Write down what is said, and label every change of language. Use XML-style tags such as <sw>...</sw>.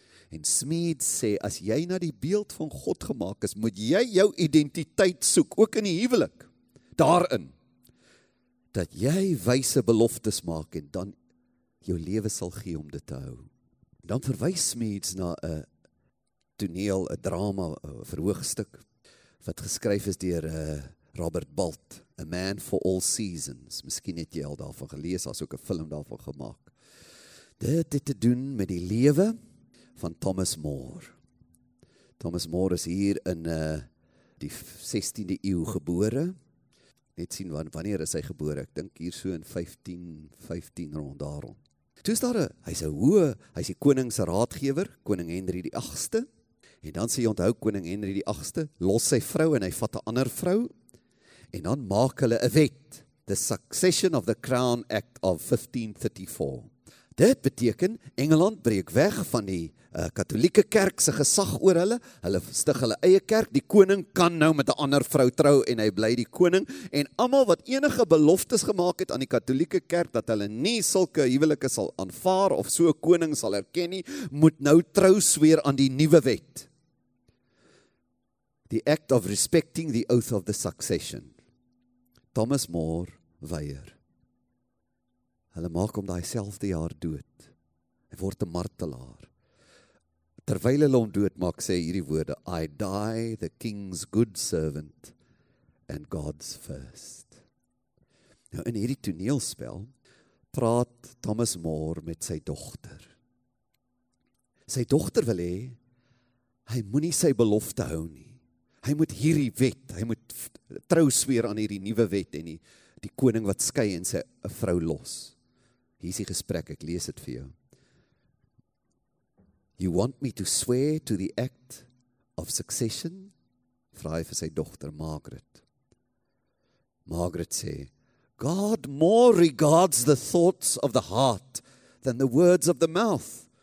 <af>En Smith sê, as jy na die beeld van God gemaak is, moet jy jou identiteit soek, ook in die huwelik, daarin, dat jy wyse beloftes maak en dan jou lewe sal gee om dit te hou. Dan verwys Smith na 'n toneel, 'n drama, 'n verhoogstuk, wat geskryf is deur Robert Balt, A Man for All Seasons. Miskien het jy al daarvan gelees, as ook 'n film daarvan gemaak. Dit het te doen met die lewe van Thomas More. Thomas More is hier in die 16de eeu gebore. Net sien wanneer is hy gebore? Ek dink hier so in 1515 rond daarom. Toe is daar, hy is die koningse raadgewer, koning Henry die 8ste, en dan sê jy onthou koning Henry die 8ste, los sy vrou en hy vat 'n ander vrou, en dan maak hulle 'n wet, the Succession of the Crown Act of 1534. Dit beteken, Engeland breek weg van die katholieke kerk se gesag oor hulle, hulle stig hulle eie kerk, die koning kan nou met 'n ander vrou trou en hy bly die koning, en almal wat enige beloftes gemaak het aan die katholieke kerk, dat hulle nie sulke huwelike sal aanvaar of so 'n koning sal erken nie, moet nou trou sweer aan die nuwe wet.</af> <en>The act of respecting the oath of the succession.</en> <af>Thomas More weier. Hulle maak hom daai selfde jaar dood. Hy word 'n martelaar. Terwyl hulle hom dood maak, sê hy hierdie woorde,</af> <en>I die the king's good servant and God's first.</en> <af>Nou in hierdie toneelspel praat Thomas More met sy dogter. Sy dogter wil hê, hy moenie sy belofte hou nie. Hy moet hierdie wet, hy moet trou sweer aan hierdie nuwe wet en die koning wat skei en sy vrou los. Hier is die gesprek, ek lees het vir jou.</af> <en>You want me to swear to the act of succession?</en> <af>Vraai vir sy dochter Margaret. Margaret sê,</af> <en>God more regards the thoughts of the heart than the words of the mouth.</en>